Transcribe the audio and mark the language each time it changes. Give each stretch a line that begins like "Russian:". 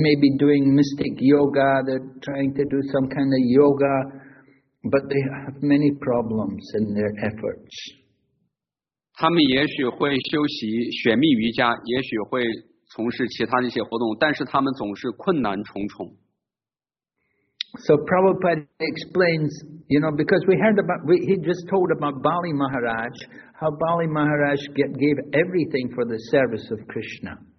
English: may be doing mystic yoga, they're trying to do some kind of yoga, but they have many problems in their efforts.
Chinese: 他们也许会修习玄秘瑜伽，也许会从事其他的一些活动，但是他们总是困难重重。
English: So Prabhupada explains, you know, because we heard about, he just told about Bali Maharaj, how Bali Maharaj gave everything for the service of Krishna.